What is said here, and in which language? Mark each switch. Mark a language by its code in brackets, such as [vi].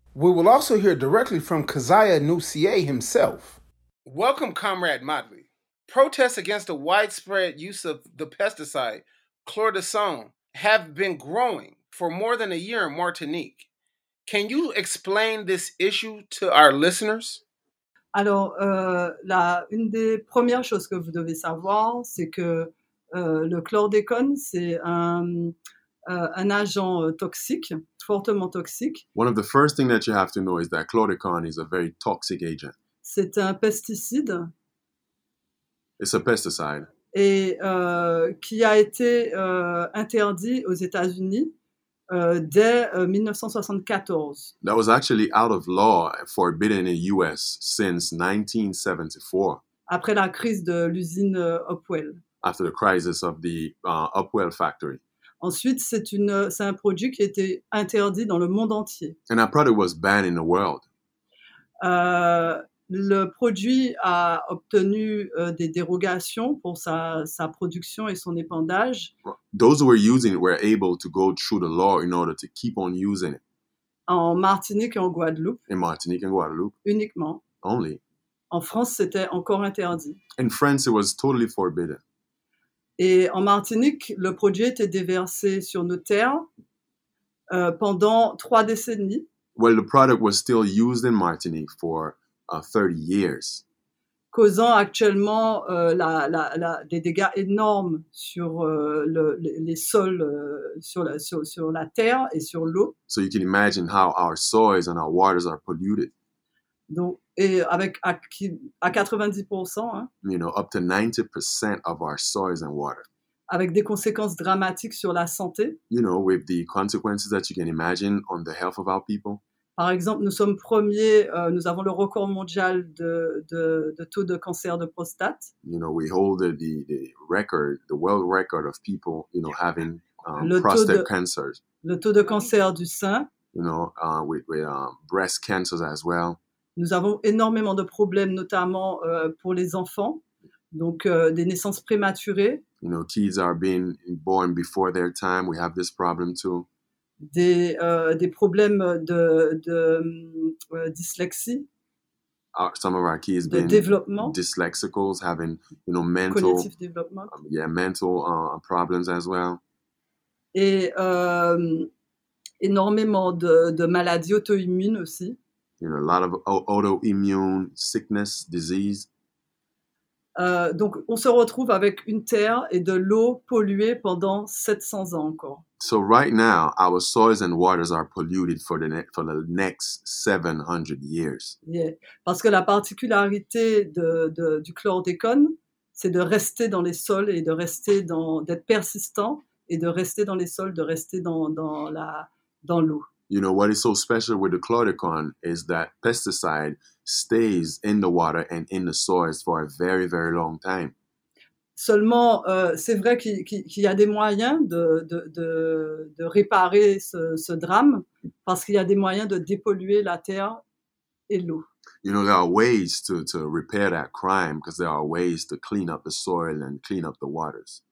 [en] We will also hear directly from Kaziah Nussier himself. Welcome, Comrade Madly. Protests against the widespread use of the pesticide, chlordosan, have been growing for more than a year in Martinique. Can you explain this issue to our listeners? [fr] Alors, la une des premières choses que vous devez savoir, c'est que le chlordécone, c'est un agent toxique, fortement toxique. [en] One of the first things that you have to know is that chlordécone is a very toxic agent. [fr] C'est un pesticide. [en] It's a pesticide. [fr] Et qui a été interdit aux États-Unis dès 1974. [en] That was actually out of law, forbidden in the U.S. since 1974. [fr] Après la crise de l'usine Hopewell. [en] After the crisis of the Hopewell factory. [fr] Ensuite, c'est un produit qui a été interdit dans le monde entier. [en] And that product was banned in the world. [fr] Le produit a obtenu des dérogations pour sa production et son épandage. [en] Those who were using it were able to go through the law in order to keep on using it. [fr] En Martinique et en Guadeloupe. [en] In Martinique and Guadeloupe. [fr] Uniquement. [en] Only. [fr] En France, c'était encore interdit. [en] In France, it was totally forbidden. [fr] Et en Martinique, le produit était déversé sur nos terres pendant 3 décennies. [en] Well, the product was still used in Martinique for 30 years. [fr] Causant actuellement des dégâts énormes sur les sols, sur la terre et sur l'eau. [en] So you can imagine how our soils and our waters are polluted. [fr] Donc, et avec à 90%, hein, [en] you know, up to 90% of our soils and water. [fr] Avec des conséquences dramatiques sur la santé. [en] You know, with the consequences that you can imagine on the health of our people. [fr] Par exemple, nous sommes premiers, nous avons le record mondial de taux de cancer de prostate. [en] You know, we hold the record, the world record of people, you know, having prostate cancers. [fr] Le taux de cancer du sein. [en] You know, with breast cancers as well. [fr] Nous avons énormément de problèmes, notamment pour les enfants, donc des naissances prématurées. [en] You know, kids are being born before their time. We have this problem too. [fr] Des problèmes de dyslexie. [en] Some of our kids [fr] de développement. [en] Dyslexicals having, you know, mental. Cognitive development. Mental problems as well. [fr] Et énormément de maladies auto-immunes aussi. [en] You know, a lot of autoimmune sickness, disease. [fr] Donc, on se retrouve avec une terre et de l'eau polluée pendant 700 ans encore. [en] So right now, our soils and waters are polluted for the next 700 years. Yeah. [fr] Parce que la particularité du chlordécone, c'est de rester dans les sols et d'être persistant et de rester dans les sols, de rester dans l'eau. [en] You know, what is so special with the chlordécone is that pesticide stays in the water and in the soils for a very, very long time. [fr] Seulement, c'est vrai qu'il y a des moyens de réparer ce drame parce qu'il y a des moyens de dépolluer la terre et l'eau. [en] You know, there are ways to repair that crime because there are ways to clean up the soil and clean up the waters.